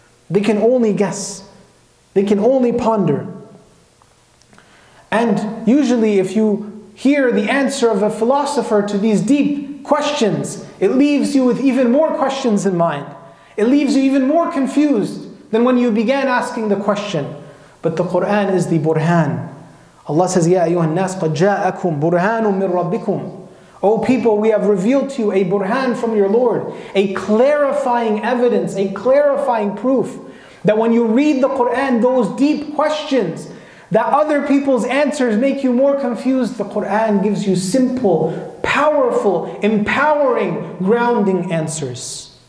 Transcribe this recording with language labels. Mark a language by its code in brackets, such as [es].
[en] They can only guess. They can only ponder. And usually if you hear the answer of a philosopher to these deep questions, it leaves you with even more questions in mind. It leaves you even more confused than when you began asking the question. But the Qur'an is the burhan. Allah says, [ar] يَا أَيُّهَا النَّاسِ قَدْ جَاءَكُمْ بُرْهَانٌ مِّن رَبِّكُمْ. [en] O people, we have revealed to you a burhan from your Lord, a clarifying evidence, a clarifying proof that when you read the Qur'an, those deep questions that other people's answers make you more confused, the Qur'an gives you simple, powerful, empowering, grounding answers.